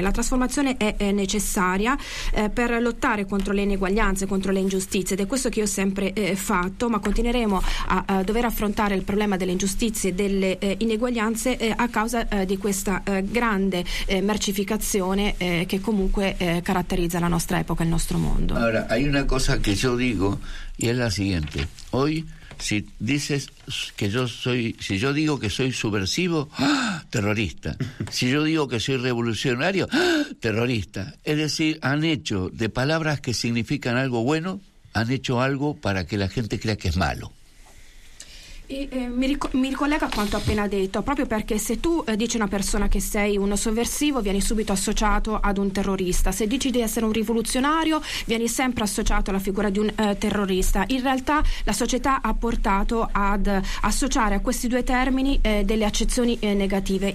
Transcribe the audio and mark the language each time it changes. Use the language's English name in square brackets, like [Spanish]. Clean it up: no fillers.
[Italian] La trasformazione è necessaria per lottare contro le ineguaglianze, contro le ingiustizie, ed è questo che io ho sempre fatto, ma continueremo a dover affrontare il problema delle ingiustizie e delle ineguaglianze a causa di questa grande mercificazione che comunque caratterizza la nostra epoca e il nostro mondo. [Spanish] Allora, hay una cosa che yo digo. Y es la siguiente, hoy si dices que yo soy, si yo digo que soy subversivo, ¡ah!, terrorista, si yo digo que soy revolucionario, ¡ah!, terrorista, es decir, han hecho de palabras que significan algo bueno, han hecho algo para que la gente crea que es malo. [Italian] Mi ricollego a quanto appena detto, proprio perché se tu dici a una persona che sei uno sovversivo vieni subito associato ad un terrorista, se dici di essere un rivoluzionario vieni sempre associato alla figura di un terrorista. In realtà la società ha portato ad associare a questi due termini delle accezioni negative.